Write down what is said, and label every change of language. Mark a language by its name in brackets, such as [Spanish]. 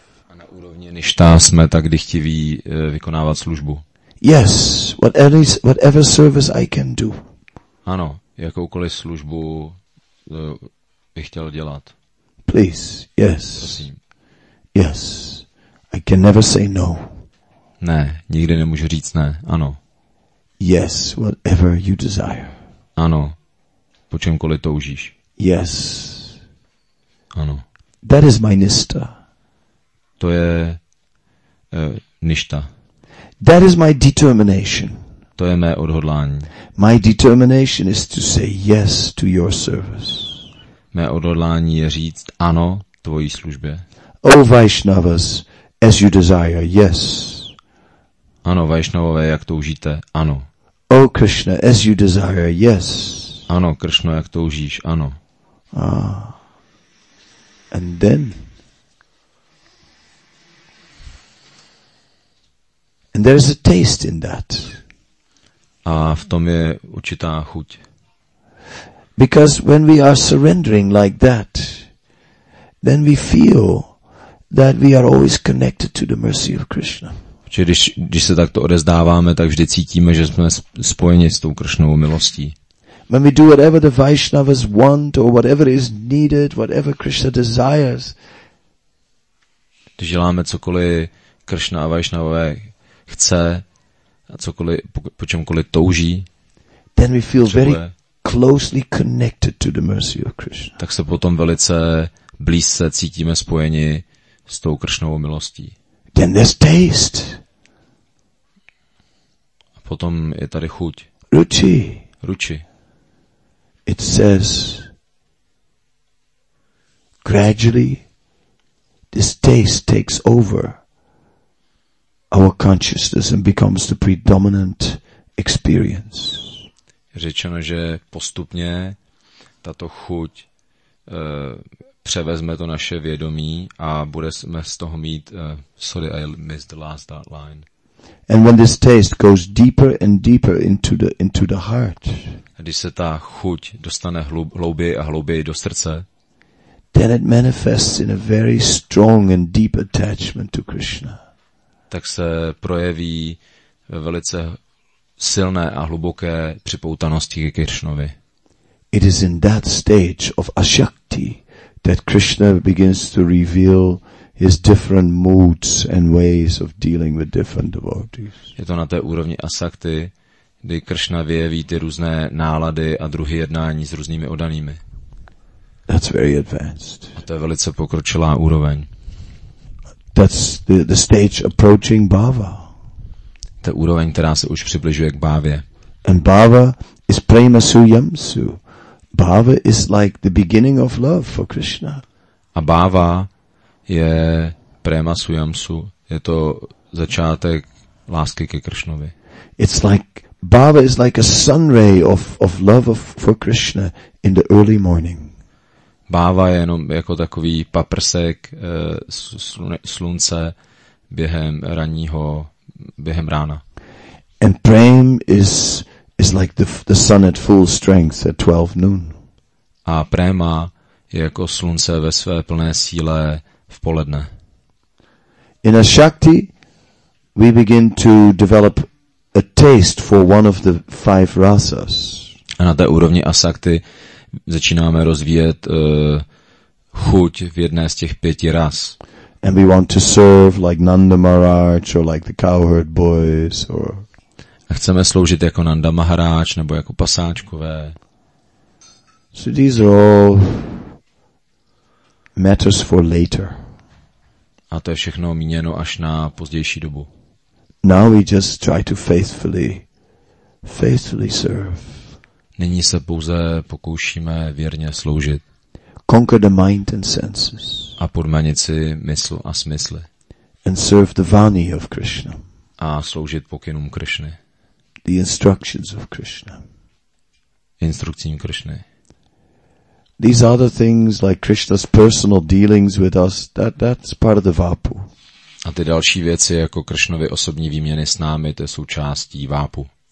[Czech] A na úrovni Nista jsme tak dychtiví vykonávat službu. [English] Yes, whatever service I can do. [Czech] Ano, jakoukoliv službu bych chtěl dělat. [English] Please, yes. [Czech] Prosím. [English] Yes. I can never say no. [Czech] Ne, nikdy nemůžu říct ne. Ano. [English] Yes, whatever you desire. [Czech] Ano. Po čemkoliv toužíš. [English] Yes. [Czech] Ano. [English] That is my nista. [Czech] To je ništa. [English] That is my determination. [Czech] To je mé odhodlání. [English] My determination is to say yes to your service. [Czech] Mé odhodlání je říct ano tvojí službě. [English] O Vaishnavas, as you desire, yes. [Czech] Ano, Vaishnavové, jak toužíte, ano. [English] O Krishna, as you desire, yes. [Czech] Ano, Krishna, jak toužíš, ano. [English] Ah. And then... And there is a taste in that. [Czech] A v tom je určitá chuť. [English] Because when we are surrendering like that, then we feel that we are always connected to the mercy of Krishna. [Czech] Čiže když se takto odezdáváme, tak vždy cítíme, že jsme spojeni s tou Krishnovou milostí. [English] When we do whatever the Vaishnavas want or whatever is needed, whatever Krishna desires. [Czech] Když děláme cokoliv Krishna a Vaishnavové chce a cokoliv, po čemkoliv touží, [English] then we feel very closely connected to the mercy of Krishna. [Czech] Tak se potom velice blízce cítíme spojeni s tou Krishnovou milostí. [English] Then there's taste. [Czech] A potom je tady chuť. [English] Ruchi. [Czech] Ruchi. [English] It says, gradually this taste takes over our consciousness and becomes the predominant experience. [Czech] Řečeno, že postupně tato chuť převezme to naše vědomí a budeme z toho mít [English] sorry, I missed the last that line. And when this taste goes deeper and deeper into the heart, [Czech] když se ta chuť dostane hlouběji a hlouběji do srdce, [English] then it manifests in a very strong and deep attachment to Krishna. [Czech] Tak se projeví velice silné a hluboké připoutanosti ke Krishnovi. [English] It is in that stage of ashakti that Krishna begins to reveal his different moods and ways of dealing with different devotees. [Czech] Je to na té úrovni asakti, kdy Krishna vyjeví ty různé nálady a druhy jednání s různými oddanými. [English] That's very advanced. [Czech] A to je velice pokročilá úroveň. [English] That's the stage approaching bhava. [Czech] To je úroveň, která se už přibližuje k bhavě. [English] And bhava is prema suyamsu. Bhava is like the beginning of love for Krishna. [Czech] A bhava je prema suyamsu. Je to začátek lásky ke Krishnovi. [English] It's like bhava is like a sun ray of love for Krishna in the early morning. [Czech] Bhava je jenom jako takový paprsek slunce během ranního, během rána. [English] And prem is like the sun at full strength at 12 noon. [Czech] A prema je jako slunce ve své plné síle v poledne. [English] In a shakti we begin to develop a taste for one of the five rasas. [Czech] A na té úrovni asakti začínáme rozvíjet chuť v jedné z těch pěti ras. [English] And we want to serve like Nanda Maharaj or like the Cowherd Boys or... [Czech] A chceme sloužit jako Nanda Maharaj nebo jako pasáčkové. [English] So these are all matters for later. [Czech] A to je všechno míněno až na pozdější dobu. [English] Now we just try to faithfully serve. [Czech] Nyní se pouze pokoušíme věrně sloužit. [English] Conquer the mind and senses. [Czech] A podmanit si mysl a smysly. [English] And serve the vani of Krishna. [Czech] A sloužit pokynům Krishny. [English] The instructions of Krishna. [Czech] Instrukcím Krishny. [English] These other things like Krishna's personal dealings with us, that's part of the vapu. [Czech] A ty další věci jako Krishnovy osobní výměny s námi, to je součástí vápu.